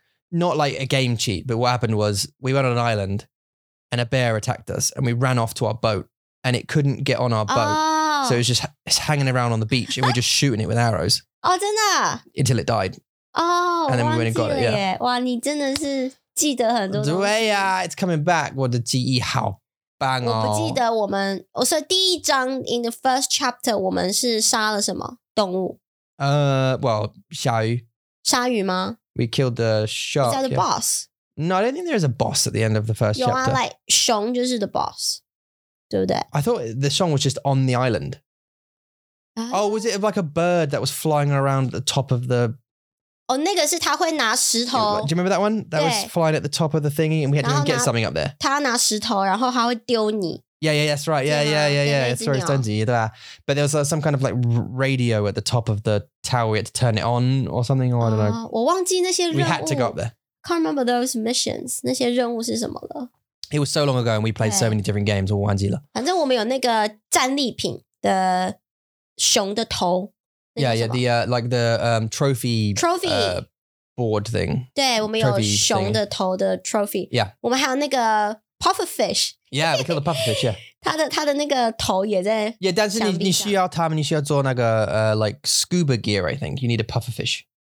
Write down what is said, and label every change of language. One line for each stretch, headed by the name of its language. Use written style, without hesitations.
English: Not like a game cheat, but what happened was we went on an island and a bear attacked us and we ran off to our boat and it couldn't get on our boat. Oh. So it was just hanging around on the beach and we're just shooting it with arrows.
Chinese: Oh, 真的啊?
English: Until it died. Oh, and then we went and got it, yeah.
Chinese: 哇, 你真的是记得很多东西。对啊,
English: it's coming back.
Chinese: 我的记忆好棒哦。我不记得我们, 我说第一章,
English: in the first chapter,
Chinese: 我们是杀了什么动物? Well, 鲨鱼。鲨鱼吗?
English: We killed the shark. Is that the boss? No, I don't think there is a boss at the end of the first chapter.
Chinese: 有啊, like, 熊就是
English: the boss,
Chinese: 对不对?
English: I thought the song was just on the island. Oh, was it like a bird that was flying around at the top of the...
Chinese: Oh, 那个是他会拿石头。
English: Do you remember that one? That was flying at the top of the thingy and we had to get something up there.
Chinese: 他拿石头,然后他会丢你。
English: Yeah, yeah, that's right. Yeah, yeah, yeah, yeah. It's very stunty. But there was some kind of like radio at the top of the tower. We had to turn it on or something. Or I don't know.
Chinese: 我忘记那些任务。
English: We had to go up there. Can't remember those missions.
Chinese: 那些任务是什么了?
English: It was so long ago and we played so many different games.
Chinese: 我忘记了。反正我们有那个战利品的熊的头。
English: Yeah, yeah, the, like the, trophy, board thing.
Chinese: 对,我们有熊的头的 trophy.
English: Yeah.
Chinese: 我们还有那个 pufferfish.
English: Yeah, we killed the pufferfish, yeah.
Chinese: 他的那个头也在。
English: Yeah,
Chinese: 但是你需要他们,你需要做那个,
English: like scuba gear, I think. You need a pufferfish.